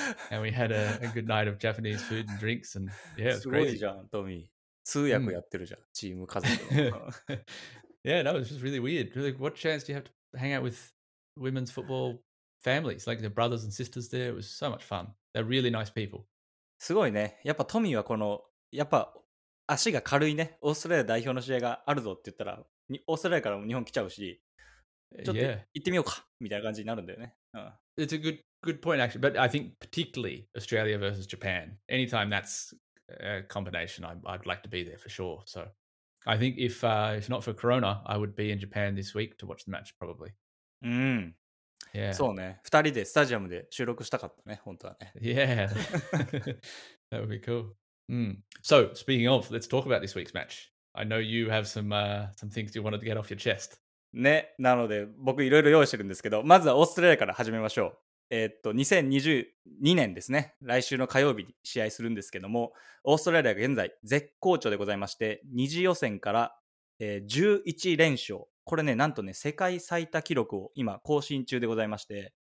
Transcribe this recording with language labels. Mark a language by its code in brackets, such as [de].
[en] And we had a good night of Japanese food and drinks. And yeah, it was crazy. [ja] すごいじゃん、トミー。通訳やってるじゃん、チーム家族の。 [en] Yeah, no, it's just really weird. Like, what chance do you have to hang out with women's football families? Like, their brothers and sisters there. It was so much fun. They're really nice people. [ja] すごいね。やっぱトミーはこの、やっぱ足が軽いね。オーストラリア代表の試合があるぞって言ったら、オーストラリアからも日本来ちゃうし、ちょっと行ってみようか、みたいな感じになるんだよね。 [en] It's a good point, actually. But I think particularly Australia versus Japan. Anytime that's a combination, I'd like to be there for sure. So I think if not for Corona, I would be in Japan this week to watch the match, probably. Mm. Yeah. [ja] そうね。二人でスタジアムで収録したかったね、本当はね。 [en] Yeah. That would be cool. So speaking of, let's talk about this week's match. I know you have some things you wanted to get off your chest. [ja] ね、なので僕いろいろ用意してるんですけど、まずはオーストラリアから始めましょう。 2022年ですね、来週の火曜日に試合するんですけども、オーストラリアが現在絶好調でございまして、二次予選から、11連勝、これね、なんとね、世界最多記録を今更新中でございまして、